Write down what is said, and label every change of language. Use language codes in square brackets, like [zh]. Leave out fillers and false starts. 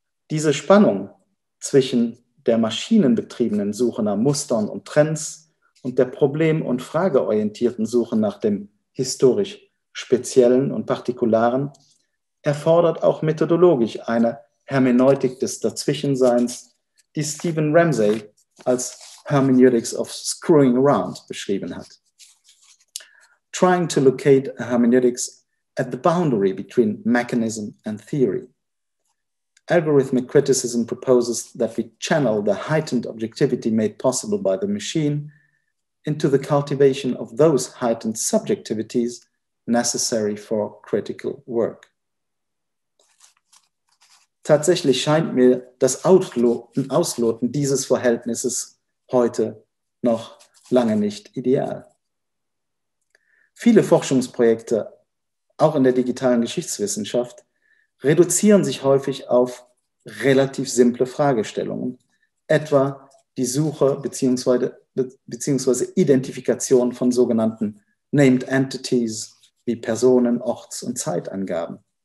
[de] Diese Spannung zwischen der maschinenbetriebenen Suche nach Mustern und Trends und der problem- und frageorientierten Suche nach dem historisch Speziellen und Partikularen erfordert auch methodologisch eine Hermeneutik des Dazwischenseins, die Stephen Ramsey als Hermeneutics of Screwing Around beschrieben hat. [en] Trying to locate a hermeneutics at the boundary between mechanism and theory. Algorithmic criticism proposes that we channel the heightened objectivity made possible by the machine into the cultivation of those heightened subjectivities necessary for critical work. [de] Tatsächlich scheint mir das Ausloten dieses Verhältnisses heute noch lange nicht ideal. Viele Forschungsprojekte, auch in der digitalen Geschichtswissenschaft, reduzieren sich häufig auf relativ simple Fragestellungen, etwa die Suche beziehungsweise Identifikation von sogenannten Named Entities wie Personen-, Orts- und Zeitangaben.